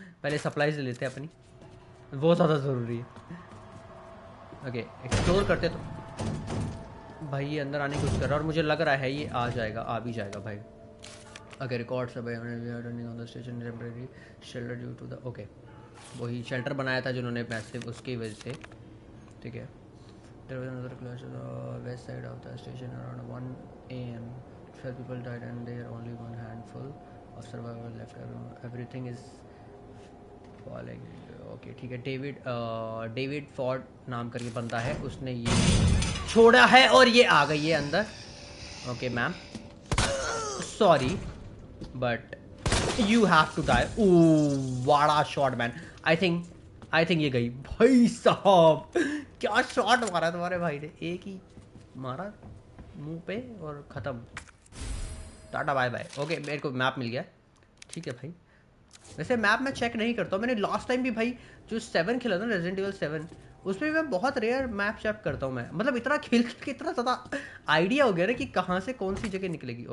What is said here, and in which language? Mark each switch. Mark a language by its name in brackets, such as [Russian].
[Hindi] पहले सप्लाईज ले लेते हैं अपनी, बहुत ज़्यादा ज़रूरी है। ओके एक्सप्लोर करते तो भाई, ये अंदर आने की कोशिश कर रहा है और मुझे लग रहा है ये आ जाएगा, आ भी जाएगा भाई। ओके रिकॉर्ड सब है, station temporary shelter due to the, okay वही शेल्टर बनाया था जिन्होंने मैसिव, उसकी वजह से ठीक है। [English] There was another clash on the west side of the station around 1 a.m. 12 people died and there are only one handful of survivors left. Everything is falling. Okay, [Hindi] ठीक है। David David Ford नाम करके बंदा है, उसने ये छोड़ा है और ये आ गई है अंदर। [English] Okay, ma'am. Sorry, but you have to die. Ooh, what a shot, man. I think [Hindi] ये गई भाई साहब। क्या शॉट मारा तुम्हारे भाई ने, एक ही मारा मुंह पे और ख़त्म, टाटा बाय बाय। ओके मेरे को मैप मिल गया, ठीक है भाई। वैसे मैप मैं चेक नहीं करता हूँ, मैंने लास्ट टाइम भी भाई जो 7 खेला था ना रेजिडेंट एवल 7, उसमें भी मैं बहुत रेयर मैप चेक करता हूँ मैं, मतलब इतना खेल के इतना ज़्यादा आइडिया हो गया ना कि कहाँ से कौन सी जगह निकलेगी।